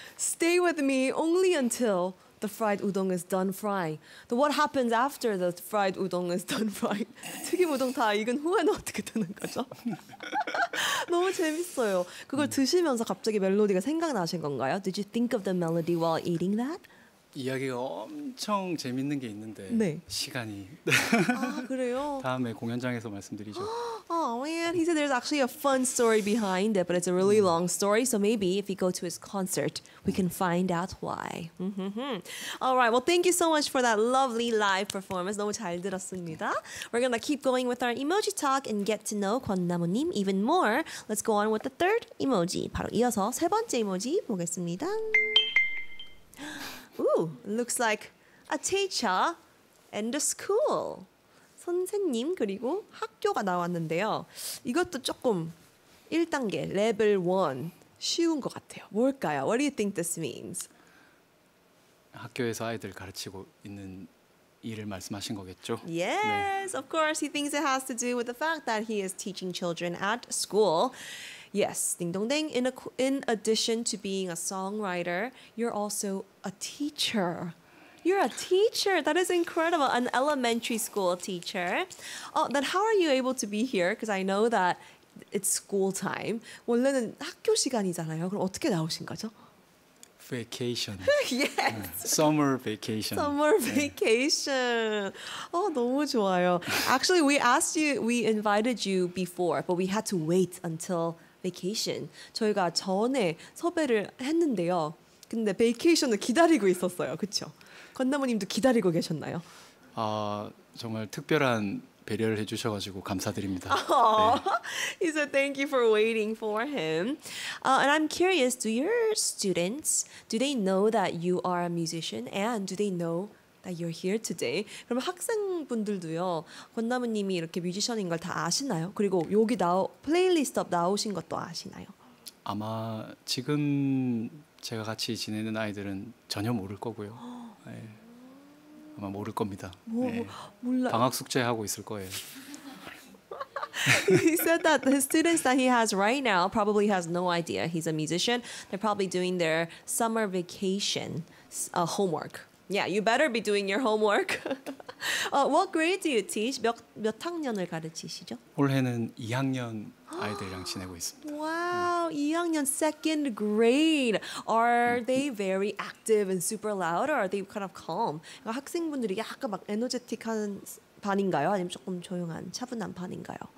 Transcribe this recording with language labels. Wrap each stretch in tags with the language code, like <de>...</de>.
<en>Stay with me only until the fried udon is done frying. So what happens after the fried udon is done frying?</en> <ko>튀김우동 다 익은 후에는 어떻게 되는 거죠? 너무 재밌어요. 그걸 드시면서 갑자기 멜로디가 생각나신 건가요?</ko> <en>Did you think of the melody while eating that?</en> <ko>이야기가 엄청 재밌는 게 있는데 네. 시간이 아 그래요? 다음에 공연장에서 말씀드리죠.</ko> <en>Oh man, he said there's actually a fun story behind it, but it's a really long story. So maybe if we go to his concert, we can find out why. All right, well, thank you so much for that lovely live performance.</en> <ko>너무 잘 들었습니다.</ko> <en>We're gonna keep going with our emoji talk and get to know 권나무님 even more. Let's go on with the third emoji.</en> <ko>바로 이어서 세 번째 이모지 보겠습니다.</ko> <en>Ooh, looks like a teacher and a school.</en> <ko>선생님 그리고 학교가 나왔는데요. 이것도 조금 1단계, level 1, 쉬운 것 같아요. 뭘까요?</ko> <en>What do you think this means?</en> <ko>학교에서 아이들 가르치고 있는 일을 말씀하신 거겠죠?</ko> <en>Yes, 네. of course. He thinks it has to do with the fact that he is teaching children at school. Yes, ding dong ding. In addition to being a songwriter, you're also a teacher. You're a teacher. That is incredible. An elementary school teacher. Oh, then how are you able to be here? Because I know that it's school time.</en> <ko>원래는 학교 시간이잖아요. 그럼 어떻게 나오신 거죠?</ko> <en>Vacation. yes. Summer vacation. Summer vacation. Yeah. Oh,</en> <ko>너무 좋아요.</ko> <en>Actually, we invited you before, but we had to wait until vacation.</en> <ko>저희가 전에 섭외를 했는데요. 근데 베이케이션을 기다리고 있었어요. 그렇죠? 건나무님도 기다리고 계셨나요? 아, 정말 특별한 배려를 해 주셔 가지고 감사드립니다. Oh, 네.</ko> <en>He said thank you for waiting for him. And I'm curious, do your students, do they know that you are a musician and do they know that you're here today?</en> <ko>그럼 학생분들도요. 권나무님이 이렇게 뮤지션인 걸 다 아시나요? 그리고 여기 플레이리스트업 나오신 것도 아시나요? 아마 지금 제가 같이 지내는 아이들은 전혀 모를 거고요. 네. 아마 모를 겁니다. 몰라. 방학 숙제 하고 있을 거예요.</ko> <en>He said that the students that he has right now probably has no idea he's a musician. They're probably doing their summer vacation homework. Yeah, you better be doing your homework. what grade do you teach?</en> <ko>몇 학년을 가르치시죠? 올해는 2학년 아이들이랑 지내고 있습니다.</ko> <en>Wow, 2학년 second grade. Are they very active and super loud or are they kind of calm?</en> <ko>학생분들이 약간 막 에너제틱한 반인가요? 아니면 조금 조용한, 차분한 반인가요?</ko>